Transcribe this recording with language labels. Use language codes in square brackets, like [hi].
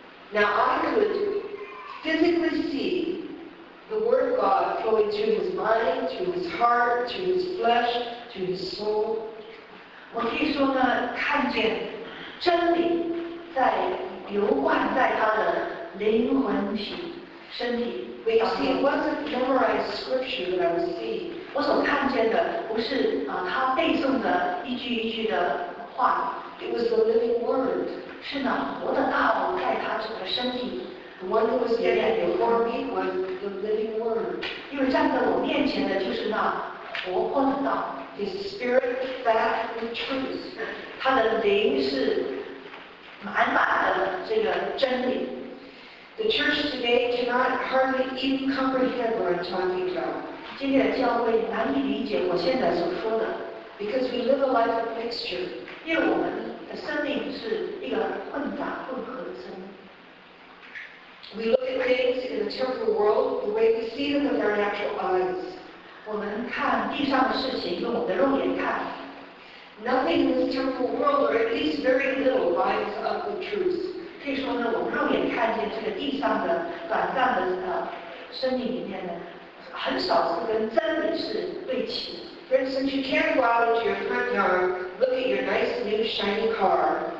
[en] Now I could physically see the word of God flowing through his mind, through his heart, through his flesh, through his soul. [zh] 我可以说呢，看见真理在。流灌在他的灵魂体身体。 [en] We see it wasn't memorized scripture that I was seeing. [zh] 我所看见的不是他背诵的一句一句的话。 [en] It was the living word. [zh] 是呢，活的大道在他整个身体。 [en] The one that was standing before me was the living word. [zh] 因为站在我面前的就是那活泼的道。 [en] His spirit fed with truth. [zh] 他的灵是。满满的这个真理。 [en] The church today cannot hardly even comprehend what I'm talking about. [zh] 今天的教会难以理解我现在所说的。 [en] Because we live a life of mixture. [zh] 因为我们的生命是一个混杂混合的生命。 [en] We look at things in the temporal world the way we see them with our natural eyes. [zh] 我们看地上的事情用我们的肉眼看。 [en] Nothing in this temporal world, or at least very little, lines up with truth. [zh] 可以说呢，我们肉眼看见这个地上的短暂的生命里面呢，很少是跟真理是对齐。 [en] For instance, you can't go out into your front yard, look at your nice new shiny car.